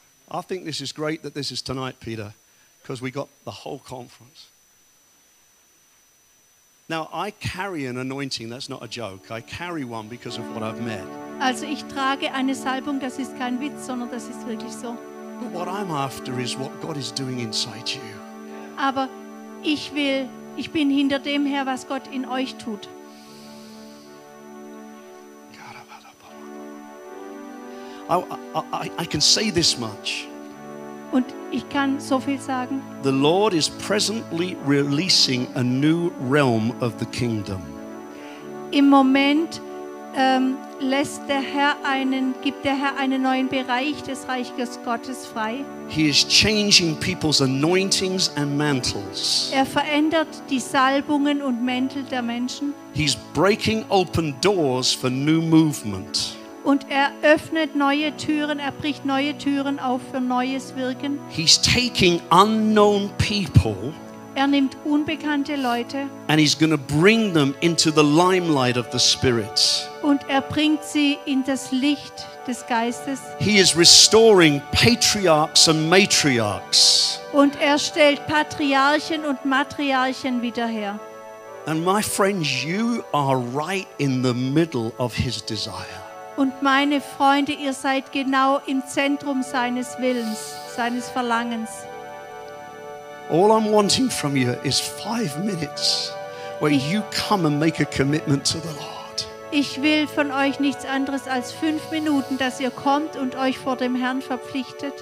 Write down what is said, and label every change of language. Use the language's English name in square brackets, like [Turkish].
[English] I think this is great that this is tonight, Peter, because we got the whole conference. Now, I carry an anointing, that's not a joke. I carry one because of what I've met. [German] Also, ich trage eine Salbung, das ist kein Witz, sondern das ist wirklich so. [English] But what I'm after is what God is doing inside you. [German] Aber ich will, ich bin hinter dem her, was Gott in euch tut. [English] I can say this much. [German] Und ich kann so viel sagen. [English] The Lord is presently releasing a new realm of the kingdom. [German] Im Moment gibt der Herr einen neuen Bereich des Reiches Gottes frei. [English] He is changing people's anointings and mantles. [German] Er verändert die Salbungen und Mäntel der Menschen. [English] He's breaking open doors for new movement. [German] Und er öffnet neue Türen, er bricht neue Türen auf für neues Wirken. [English] He's taking unknown people. [German] Er nimmt unbekannte Leute. [English] And he's going to bring them into the limelight of the Spirit. [German] Und er bringt sie in das Licht des Geistes. [English] He is restoring patriarchs and matriarchs. [German] Und er stellt Patriarchen und Matriarchen wieder her. [English] And my friends, you are right in the middle of his desire. [German] Und meine Freunde, ihr seid genau im Zentrum seines Willens, seines Verlangens. [English] All I'm wanting from you is 5 minutes where you come and make a commitment to the Lord. [German] Ich will von euch nichts anderes als 5 Minuten, dass ihr kommt und euch vor dem Herrn verpflichtet.